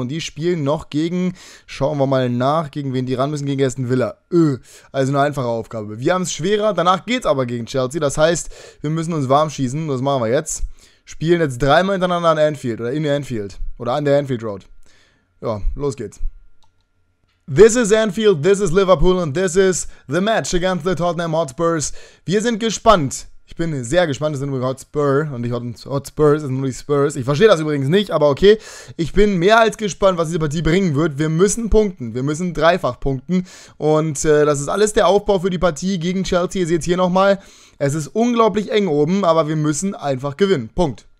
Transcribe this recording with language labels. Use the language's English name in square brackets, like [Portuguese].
[German] Und die spielen noch gegen, schauen wir mal nach, gegen wen die ran müssen, gegen Aston Villa. Also eine einfache Aufgabe. Wir haben es schwerer, danach geht es aber gegen Chelsea. Das heißt, wir müssen uns warm schießen. Das machen wir jetzt. Spielen jetzt dreimal hintereinander an Anfield oder in Anfield oder an der Anfield Road. Ja, los geht's. [English] This is Anfield, this is Liverpool and this is the match against the Tottenham Hotspurs. [German] Wir sind gespannt. Ich bin sehr gespannt, es sind nur Hotspur und nicht Hotspurs, es sind nur die Spurs. Ich verstehe das übrigens nicht, aber okay. Ich bin mehr als gespannt, was diese Partie bringen wird. Wir müssen punkten, wir müssen dreifach punkten. Und das ist alles der Aufbau für die Partie gegen Chelsea. Ihr seht hier nochmal, es ist unglaublich eng oben, aber wir müssen einfach gewinnen. Punkt.